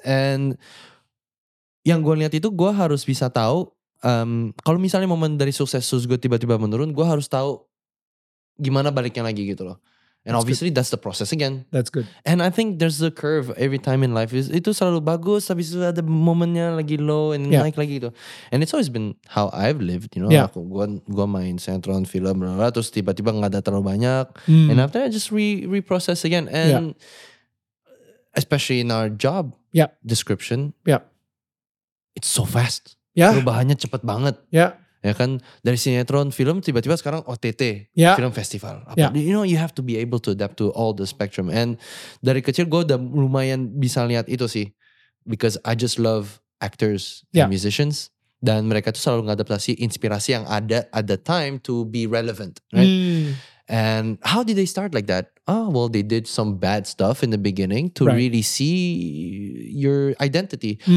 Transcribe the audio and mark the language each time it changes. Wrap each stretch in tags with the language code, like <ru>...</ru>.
<id>And yang gue lihat itu gue harus bisa tahu, kalau misalnya momen dari sukses gue tiba-tiba menurun, gue harus tahu gimana baliknya lagi gitu loh.</id> <en>And that's obviously good. That's the process again. That's good. And I think there's a curve every time in life.</en> <id>Itu selalu bagus, habis itu ada momennya lagi low and naik lagi gitu.</id> <en>And it's always been how I've lived, you know. Yeah.</en> <id>Gua main sinetron, film, blablabla, terus tiba-tiba gak ada terlalu banyak.</id> <en>And after that, just reprocess again. And especially in our job description, it's so fast. Yeah.</en> <id>Perubahannya cepet banget.</id> <en>Yeah.</en> <id>Ya kan, dari sinetron film tiba-tiba sekarang OTT, film festival.</id> <en>You know, you have to be able to adapt to all the spectrum.</en> <id>And dari kecil gue udah lumayan bisa lihat itu sih.</id> <en>Because I just love actors and musicians.</en> <id>Dan mereka tuh selalu ngadaptasi inspirasi yang ada</id> <en>at the time to be relevant. Right? And how did they start like that? Oh, well, they did some bad stuff in the beginning to really see your identity.</en>